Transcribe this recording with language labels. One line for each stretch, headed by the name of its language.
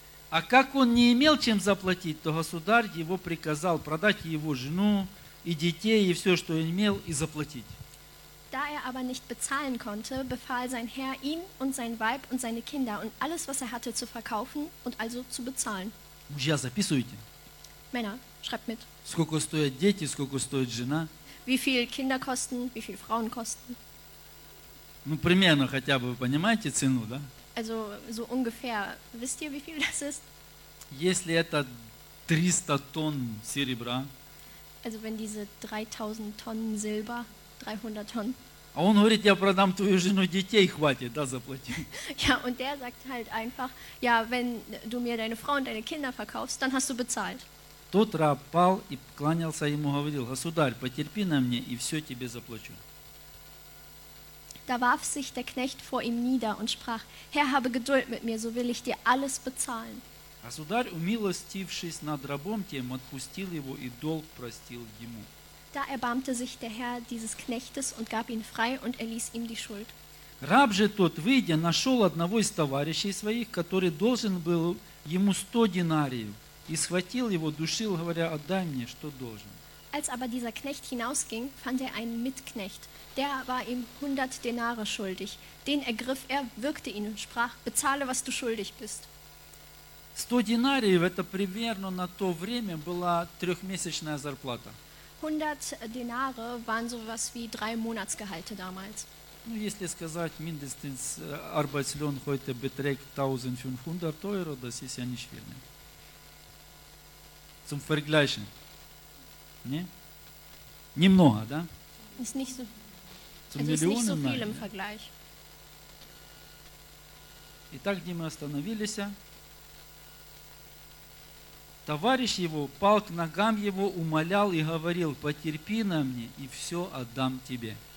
Russian: А как он не имел чем заплатить, то государь его приказал продать его жену и детей и все, что имел, и заплатить.
German: Da er aber nicht bezahlen konnte, befahl sein Herr ihm und sein Weib und seine Kinder und alles, was er hatte, zu verkaufen und also zu bezahlen.
Russian: Мужья, записывайте.
German: Männer, schreibt mit.
Russian: Сколько стоят дети, сколько стоит жена?
German: Wie viel Kinder kosten, wie viel Frauen kosten?
Russian: Ну, примерно хотя бы понимаете цену, да?
German: Also, so ungefähr, wisst ihr, wie viel das ist?
Russian: Если это 300 тонн серебра.
German: Also, wenn diese 3000 Tonnen Silber, 300 Tonnen.
Russian: А он говорит, я продам твою жену, детей хватит, да, заплати.
German: Ja, und der sagt halt einfach, ja, wenn du mir deine Frau und deine Kinder verkaufst, dann hast du bezahlt.
Russian: Тот раб пал и кланялся ему, говорил, государь, потерпи на мне, и все тебе заплачу.
German: Da warf sich der Knecht vor ihm nieder und sprach, Herr, habe Geduld mit mir, so will ich dir alles bezahlen.
Russian: Государь, умилостившись над рабом тем, отпустил его и долг простил ему.
German: Da erbarmte sich der Herr dieses Knechtes und gab ihn frei und erließ ihm die Schuld.
Russian: Раб же тот, выйдя, нашел одного из товарищей своих, который должен был ему 100 динариев, и схватил его, душил, говоря, отдай мне, что должен.
German: Als aber dieser Knecht hinausging, fand er einen Mitknecht. Der war ihm 100 Denare schuldig. Den ergriff er, würgte ihn und sprach, bezahle, was du schuldig bist.
Russian: 100 Denarien, это примерно на то время была трехмесячная зарплата.
German: 100 Denare waren sowas wie 3 Monatsgehalte damals.
Russian: Ну, если сказать,
German: mindestens Arbeitslohn heute beträgt 1500 Euro, das ist ja nicht viel. Ne? Zum Vergleichen. Ne?
Russian: Немного, да?
German: Ist nicht so. Es ist nicht so viel im Vergleich.
Russian: Итак, где мы остановились? Товарищ его пал к ногам его, умолял и говорил, потерпи на мне, и все отдам тебе.